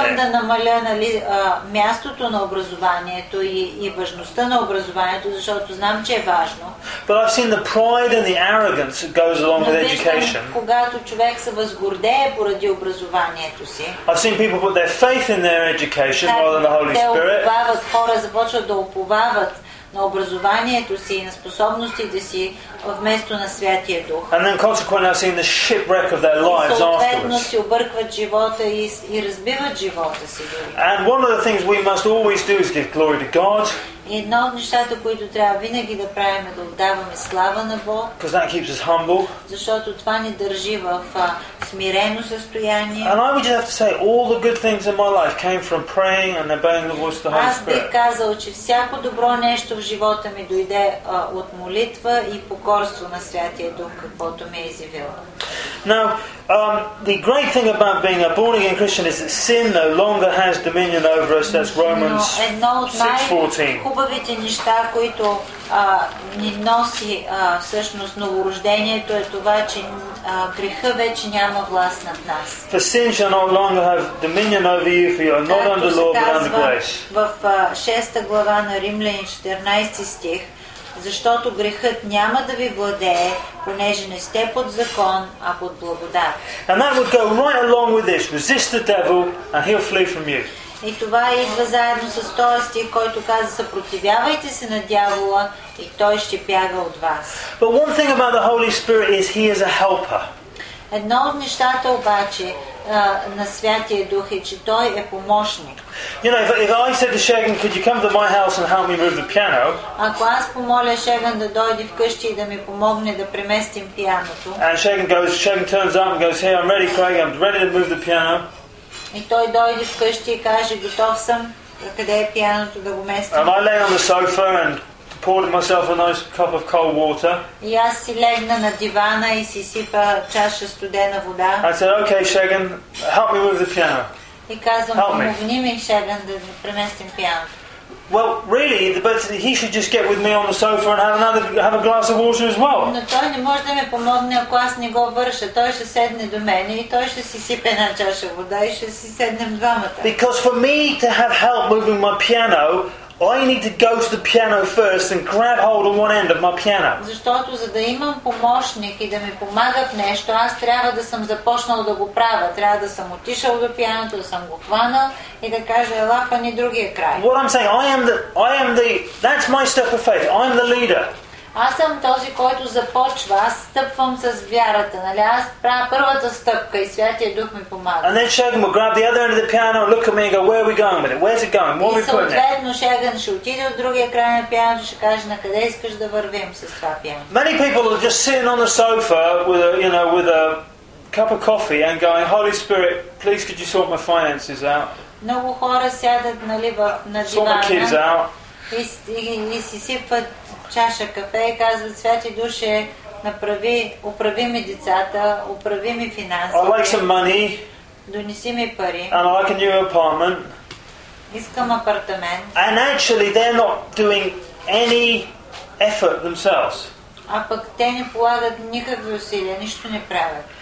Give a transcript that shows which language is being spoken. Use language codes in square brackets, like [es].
[bg] Искам да намаля, нали, мястото на образованието и важността на образованието, защото знам, че е важно. [en] But I've seen the pride and the arrogance that goes along with education. [bg] Когато човек се възгордее поради образованието си. [en] I've seen people put their faith in their education rather than the Holy Spirit. [bg] Уповават, хора започват да уповават на образованието си и на способностите си вместо на Святия Дух. [en] And then consequently I've seen the shipwreck of their lives afterwards. [bg] Съответно си объркват живота и разбиват живота си. [en] And one of the things we must always do is give glory to God. [bg] Едно от нещата, които трябва винаги да правим, е да отдаваме слава на Бог. [en] Because that keeps us humble. [bg] Защото това ни държи в смирено състояние. [en] And I would just have to say all the good things in my life came from praying and obeying the voice of the Holy Spirit. [bg] Аз бих казал, че всяко добро нещо в живота ми дойде от молитва и покорство на Святия Дух, каквото ме е изявил. [en] Now, the great thing about being a born again Christian is that sin no longer has dominion over us. That's Romans 6:14. [bg] Хубавите неща, които ни носи всъщност новорождението, е това, че грехът вече няма власт над нас. [en] For sin shall no longer have dominion over you, for you are not under law but under grace. [bg] В 6 глава на Римляни 14 стих, защото грехът няма да ви владее, понеже не сте под закон, а под благодат. [en] And that would go right along with this. Resist the devil and he'll flee from you. [bg] И това идва заедно с този стих, който каза: съпротивявайте се на дявола и той ще бяга от вас. [en] But one thing about the Holy Spirit is he is a helper. [bg] Едно от нещата обаче на Святия Дух е, че той е помощник. [en] You know, if I said to Shagan, could you come to my house and help me move the piano? [bg] Ако аз помоля Шеган да дойде вкъщи и да ми помогне да преместим пианото. [en] And Shagan turns up and goes, hey, I'm ready, Craig, I'm ready to move the piano. [bg] И той дойде вкъщи и каже, готов съм, къде е пианото да го местим. [en] And I lay on the sofa and poured myself a nice cup of cold water. [bg] И аз си легна на дивана и си сипа чаша студена вода. [en] I said, okay, Shagan, help me move the piano. [bg] И казвам, помогни ми, Шеган, да преместим пианото. [en] Well, really, but he should just get with me on the sofa and have a glass of water as well. [bg] Но той не може да ми помогне, ако аз не го върша. Той ще седне до мен и той ще си сипе една чаша вода и ще си седнем двамата. [en] Because for me to have help moving my piano, I need to go to the piano first and grab hold on one end of my piano. [bg] Защото за да имам помощник и да ми помага в нещо, аз трябва да съм започнал да го правя. Трябва да съм отишъл до пианото, да съм го хванал и да кажа ела в ни другия край. [en] What I'm saying, I am the that's my step of faith. I'm the leader. [bg] Аз съм този, който започва. Аз стъпвам с вярата, нали? Аз правя първата стъпка и Святия Дух ми помага. [en] And then Shagun will grab the other end of the piano and look at me and go, where are we going with it? Where's it going? What are we putting it? [bg] Съответно Шагън ще отиде от другия край на пианото, ще каже на къде искаш да вървим с това пиано. [en] Many people are just sitting on the sofa with a, you know, with a cup of coffee and going, Holy Spirit, please could you sort my finances out? [bg] Много хора сядат, нали, на дивана. [en] Sort my kids out. [bg] И си сипват чаша кафе и казват Святи Душе, направи, управи ми децата, управи ми финансите. [en] I like some money. [bg] Донеси ми пари. [en] And I like a new apartment. [bg] Искам апартамент. [en] And actually they're not doing any effort themselves. [bg] А пък те не полагат никакви усилия, нищо не правят.